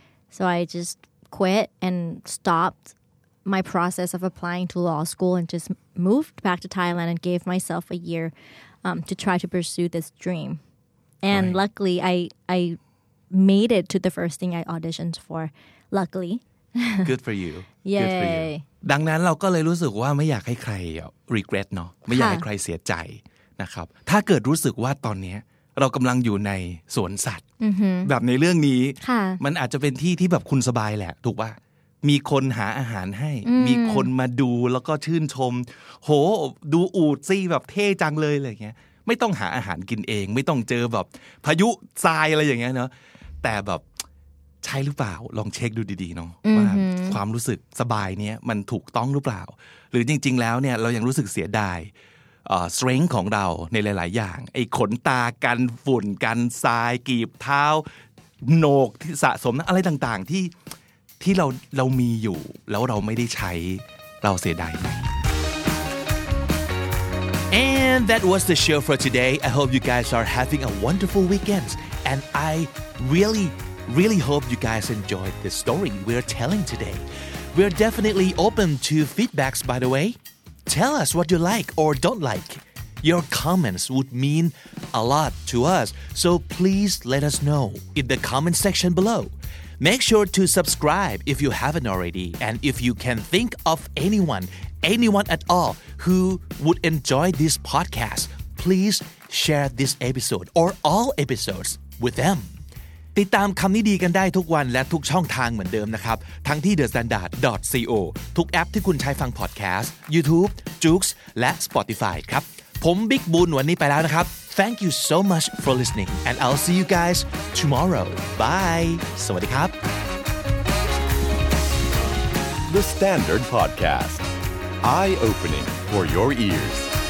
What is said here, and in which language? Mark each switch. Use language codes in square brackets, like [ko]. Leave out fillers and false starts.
[en] So I just quit and stopped my process of applying to law school and just moved back to Thailand and gave myself a year to try to pursue this dream. And right. luckily, I made it to the first thing I auditioned for. Luckily. Good for you. Yay. [th] ดังนั้นเราก็เลยรู้สึกว่าไม่อยากให้ใคร regret เนาะไม่อยากให้ใครเสียใจนะครับถ้าเกิดรู้สึกว่าตอนนี้เรากำลังอยู่ในสวนสัตว์ แบบในเรื่องนี้ มันอาจจะเป็นที่ที่แบบคุณสบายแหละถูกป่ะมีคนหาอาหารให้มี คนมาดูแล้วก็ชื่นชมโหดูอูดซี่แบบเท่จังเลยอะไรเงี้ยไม่ต้องหาอาหารกินเองไม่ต้องเจอแบบพายุทรายอะไรอย่างเงี้ยเนาะแต่แบบใช่หรือเปล่าลองเช็คดูดีๆเนาะว่ าความรู้สึกสบายเนี้ยมันถูกต้องหรือเปล่าหรือจริงๆแล้วเนี่ยเรายังรู้สึกเสียดายstrength ของเราในหลายๆอย่างไอ้ขนตากันฝุ่นกันทรายกีบเท้าโหนกที่สะสมอะไรต่างๆที่เรามีอยู่แล้วเราไม่ได้ใช้เราเสียดายไหม [en] And that was the show for today. I hope you guys are having a wonderful weekend and I really really hope you guys enjoyed the story we're telling today. We're definitely open to feedbacks by the wayTell us what you like or don't like. Your comments would mean a lot to us, so please let us know in the comment section below. Make sure to subscribe if you haven't already, and if you can think of anyone at all who would enjoy this podcast, please share this episode or all episodes with them. [th] ติดตามคำนี้ดีกันได้ทุกวันและทุกช่องทางเหมือนเดิมนะครับทั้งที่ thestandard.co ทุกแอปที่คุณใช้ฟังพอดแคสต์ YouTube, Joox และ Spotify ครับผมบิ๊กบุญวันนี้ไปแล้วนะครับ [en] Thank you so much for listening and I'll see you guys tomorrow. Bye. [th] สวัสดีครับ [en] The Standard Podcast. Eye-opening for your ears.